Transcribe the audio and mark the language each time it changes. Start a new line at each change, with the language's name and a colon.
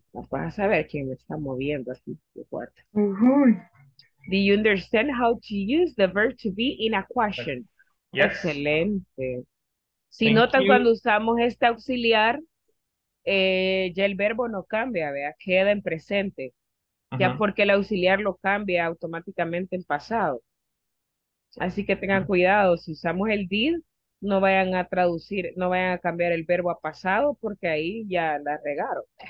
Spanish: Vas a ver quién me está moviendo aquí de cuarto.
English: Do you understand how to use the verb to be in a question? Yes.
Spanish: Excelente. Si
English: Thank
Spanish: notan cuando
English: you.
Spanish: usamos este auxiliar, ya el verbo no cambia, vea, queda en presente, ya porque el auxiliar lo cambia automáticamente en pasado. Así que tengan cuidado, si usamos el did, no vayan a traducir, no vayan a cambiar el verbo a pasado porque ahí ya la regaron.